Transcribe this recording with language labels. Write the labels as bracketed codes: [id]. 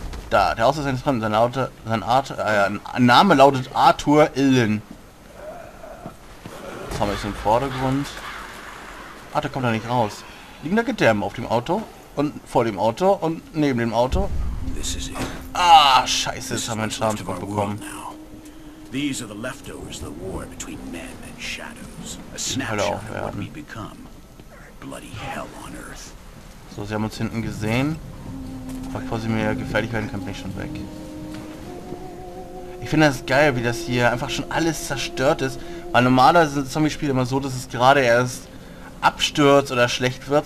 [de] Da, der Ausweis seines Fremden. Sein Name lautet Arthur Illen. Das haben wir jetzt im Vordergrund. Ah, der kommt da nicht raus. Liegen da Gedärme auf dem Auto? Und vor dem Auto? Und neben dem Auto? Ah, scheiße, jetzt haben wir einen Schadenspunkt bekommen. [en] These are the leftovers of the war between men and shadows. A snapshot of what we become. Bloody hell on earth. [de] So, sie haben uns hinten gesehen. Bevor sie mir gefährlich werden, kann ich schon weg. Ich finde das geil, wie das hier einfach schon alles zerstört ist. Weil normalerweise sind Zombie-Spiele immer so, dass es gerade erst abstürzt oder schlecht wird.